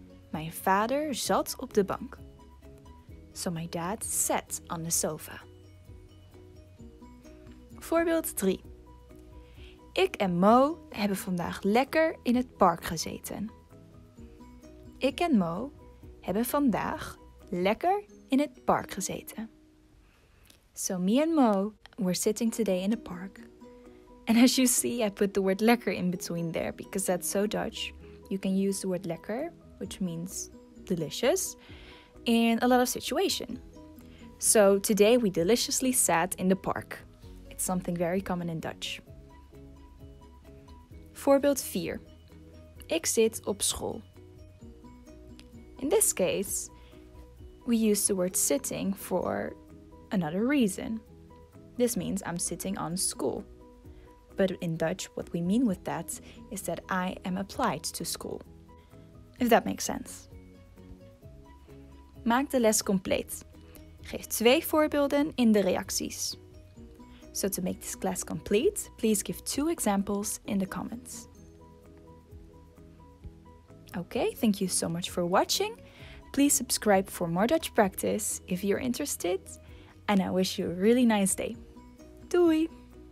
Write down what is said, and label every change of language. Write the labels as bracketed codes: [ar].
[nl] Mijn vader zat op de bank. [en] So my dad sat on the sofa. [nl] Voorbeeld 3. Ik en Mo hebben vandaag lekker in het park gezeten. Ik en Mo hebben vandaag lekker in het park gezeten. [en] So me and Mo were sitting today in the park. And as you see, I put the word lekker in between there because that's so Dutch. You can use the word lekker, which means delicious, in a lot of situations. So today we deliciously sat in the park. Something very common in Dutch. [nl] Voorbeeld 4. Ik zit op school. [en] In this case, we use the word sitting for another reason. This means I'm sitting on school. But in Dutch, what we mean with that is that I am applied to school. If that makes sense. [nl] Maak de les compleet. Geef 2 voorbeelden in de reacties. [en] So to make this class complete, please give 2 examples in the comments. Okay, thank you so much for watching. Please subscribe for more Dutch practice if you're interested. And I wish you a really nice day. Doei!